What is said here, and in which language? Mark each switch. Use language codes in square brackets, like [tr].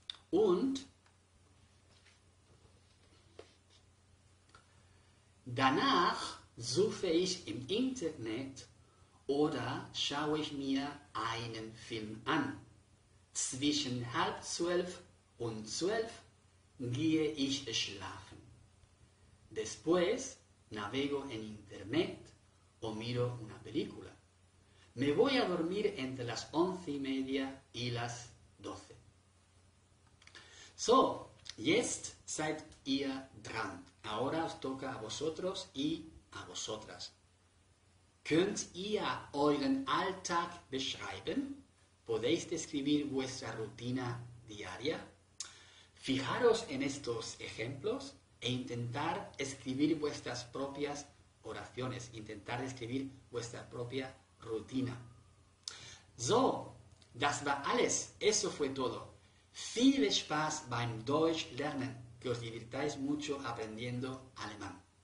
[de] Und danach suche ich im Internet oder schaue ich mir einen Film an. Zwischen 11:30 und 12 gehe ich schlafen. [es] Después navego en internet o miro una película. Me voy a dormir entre las 11:30 y las 12. [de] So, jetzt seid ihr dran. [es] Ahora os toca a vosotros y a vosotras. [de] Könnt ihr euren Alltag beschreiben? [es] ¿Podéis describir vuestra rutina diaria? Fijaros en estos ejemplos e intentar escribir vuestras propias oraciones, intentar escribir vuestra propia rutina. [de] So, das war alles. [es] Eso fue todo. [de] Viel Spaß beim Deutsch lernen. [es] Que os divirtáis mucho aprendiendo alemán.